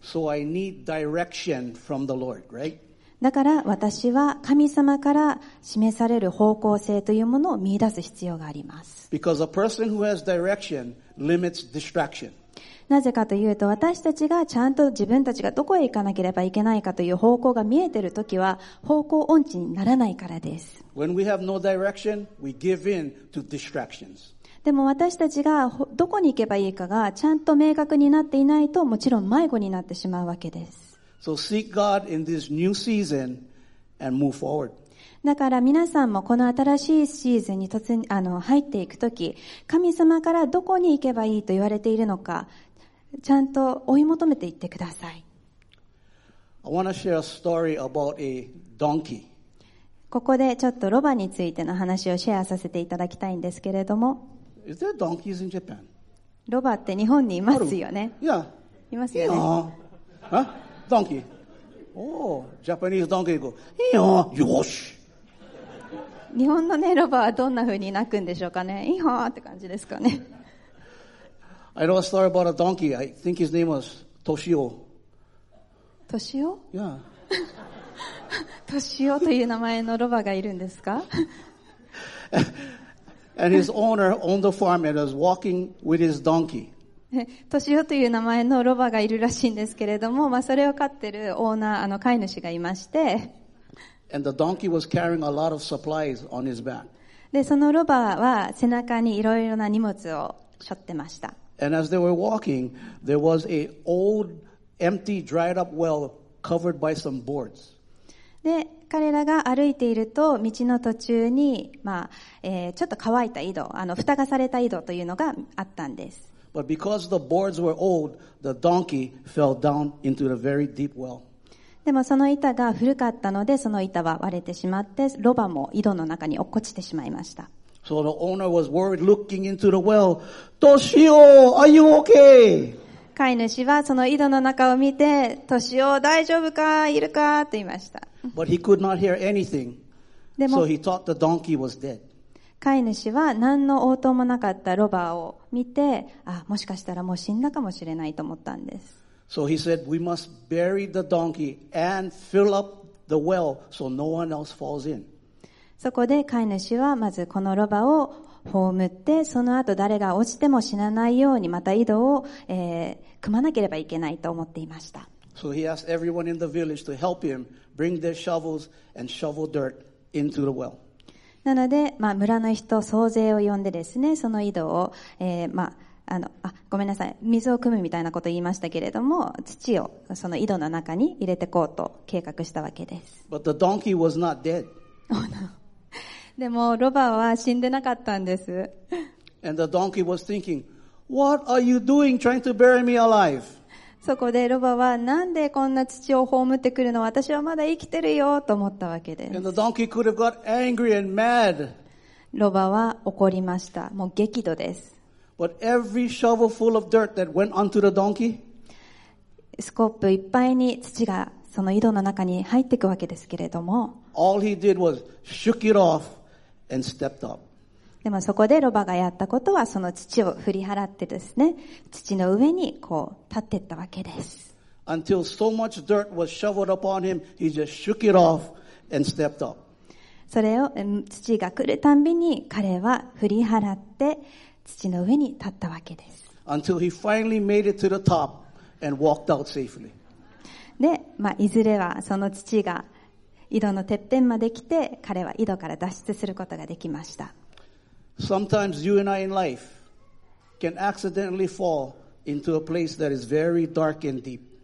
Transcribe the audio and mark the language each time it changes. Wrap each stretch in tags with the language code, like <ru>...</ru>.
<en>So I need direction from the Lord, right?</en> <ja>だから私は神様から示される方向性というものを見出す必要があります。</ja> <en>Because a person who has direction limits distraction</en> <ja>なぜかというと、私たちがちゃんと自分たちがどこへ行かなければいけないかという方向が見えているときは方向音痴にならないからです。</ja> <en>When we have no direction, we give in to distractions.</en> <ja>でも私たちがどこに行けばいいかがちゃんと明確になっていないと、もちろん迷子になってしまうわけです。</ja> <en>So seek God in this new season and move forward</en> <ja>だから皆さんもこの新しいシーズンに入っていくとき、神様からどこに行けばいいと言われているのか、ちゃんと追い求めていってください。</ja> <en>I want to share a story about a donkey.</en> <ja>ここでちょっとロバについての話をシェアさせていただきたいんですけれども。</ja> <en>Is there donkeys in Japan?</en> <ja>ロバって日本にいますよね。</ja> <en>Yeah.</en> <ja>いますよね。</ja> <en>Yeah. Huh? Donkey. Oh, Japanese donkey go, Eeyaw, yosh!</en> <ja>日本のね、ロバはどんな風に鳴くんでしょうかね。 Eeyaw って感じですかね。</ja> <en>I know a story about a donkey. I think his name was Toshio. Toshio? Yeah.</en> <ja>Toshio という名前のロバがいるんですか？</ja> <en>And his owner owned the farm and was walking with his donkey.</en> <ja>トシオという名前のロバがいるらしいんですけれども、まあ、それを飼っているオーナー、飼い主がいまして。</ja> <en>And the donkey was carrying a lot of supplies on his back.</en> <ja>で、そのロバは背中にいろいろな荷物を背負ってました。</ja> <en>And as they were walking, there was an old, empty, dried up well covered by some boards.</en> <ja>で、彼らが歩いていると、道の途中に、まあ、ちょっと乾いた井戸、蓋がされた井戸というのがあったんです。</ja> <en>But because the boards were old, the donkey fell down into the very deep well.</en> <ja>でもその板が古かったので、その板は割れてしまって、ロバも井戸の中に落っこちてしまいました。</ja> <en>So the owner was worried, looking into the well. Toshio, are you okay?</en> <ja>飼い主はその井戸の中を見て、Toshio, 大丈夫か、いるかと言いました。</ja> <en>But he could not hear anything. So he thought the donkey was dead.</en> <ja>飼い主は何の応答もなかったロバを見て、あ、もしかしたらもう死んだかもしれないと思ったんです。</ja> <en>So he said, we must bury the donkey and fill up the well so no one else falls in.</en> <ja>そこで飼い主はまずこのロバを葬って、その後誰が落ちても死なないようにまた井戸を、組まなければいけないと思っていました。</ja> <en>So he asked everyone in the village to help him bring their shovels and shovel dirt into the well.</en> <ja>なので、まあ、村の人総勢を呼んでですね、その井戸を、まあ、ごめんなさい、水を汲むみたいなことを言いましたけれども、土をその井戸の中に入れていこうと計画したわけです。</ja> <en>But the donkey was not dead.</en> <ja>でも、ロバは死んでなかったんです。</ja> <en>And the donkey was thinking, What are you doing trying to bury me alive?</en> <ja>そこでロバは、なんでこんな土を葬ってくるの？私はまだ生きてるよと思ったわけです。</ja> <en>And the donkey could have got angry and mad.</en> <ja>ロバは怒りました。もう激怒です。</ja> <en>But every shovel full of dirt that went onto the donkey,</en> <ja>スコップいっぱいに土がその井戸の中に入っていくわけですけれども、</ja> <en>all he did was shook it off and stepped up.</en> <ja>でもそこでロバがやったことはその土を振り払ってですね、土の上にこう立っていったわけです。</ja> <en>Until so much dirt was shoveled upon him, he just shook it off and stepped up.</en> <ja>それを土が来るたんびに彼は振り払って土の上に立ったわけです。</ja> <en>Until he finally made it to the top and walked out safely.</en> <ja>で、まあ、いずれはその土が井戸のてっぺんまで来て彼は井戸から脱出することができました。</ja> <en>Sometimes you and I in life can accidentally fall into a place that is very dark and deep.</en>